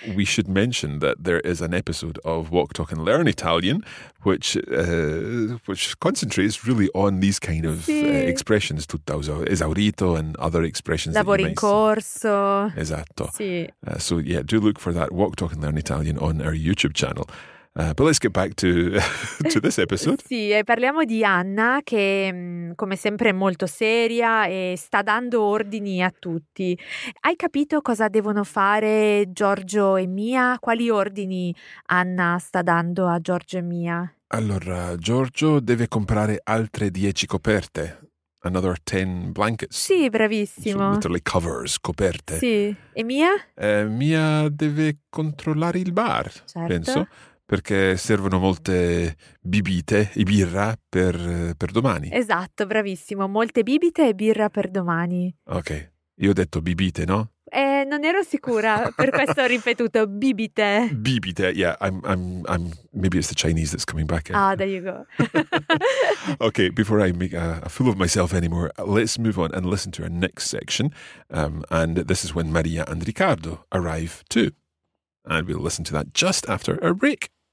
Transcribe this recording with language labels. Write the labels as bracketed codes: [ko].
[en] We should mention that there is an episode of Walk, Talk and Learn Italian which concentrates really on these kind of expressions, tutto esaurito and other expressions. [it] Lavoro in corso. Esatto. Sì. [en] So yeah, do look for that Walk, Talk and Learn Italian on our YouTube channel. But let's get back to this episode. [it] Sì, e parliamo di Anna che, come sempre, è molto seria e sta dando ordini a tutti. Hai capito cosa devono fare Giorgio e Mia? Quali ordini Anna sta dando a Giorgio e Mia? Allora, Giorgio deve comprare altre 10 coperte. [en] Another 10 blankets. [it] Sì, bravissimo. [en] So literally covers, coperte. [it] Sì. E Mia? Mia deve controllare il bar, certo. Penso. Perché servono molte bibite e birra per domani. Esatto, bravissimo. Molte bibite e birra per domani. Ok. Io ho detto bibite, no? Non ero sicura, per questo ho ripetuto bibite. Bibite, yeah. [en] I'm maybe it's the Chinese that's coming back. Ah, there you go. Okay, before I make a fool of myself anymore, let's move on and listen to our next section. And this is when Maria and Riccardo arrive too. And we'll listen to that just after a break.